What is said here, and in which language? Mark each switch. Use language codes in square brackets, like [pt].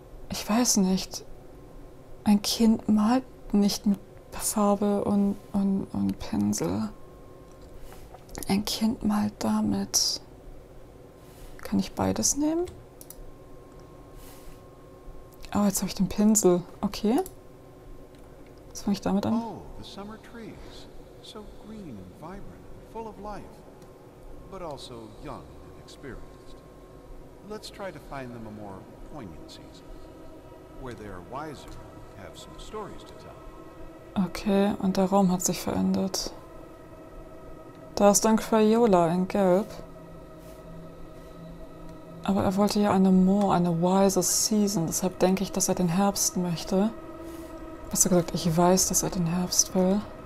[de] Ich weiß nicht. Ein Kind malt nicht mit Farbe und Pinsel. Ein Kind malt damit. Kann ich beides nehmen? Oh, jetzt habe ich den Pinsel. Okay. Was fange ich damit an? [en] Oh, the summer trees, so green and vibrant, full of life, but also young and experienced. Let's try to find them a more poignant season, where they are wiser and have some stories to tell. [de] Okay, und der Raum hat sich verändert. Da ist ein Crayola in Gelb. Aber er wollte ja eine More, eine Wiser Season. Deshalb denke ich, dass er den Herbst möchte. Besser gesagt, ich weiß, dass er den Herbst will.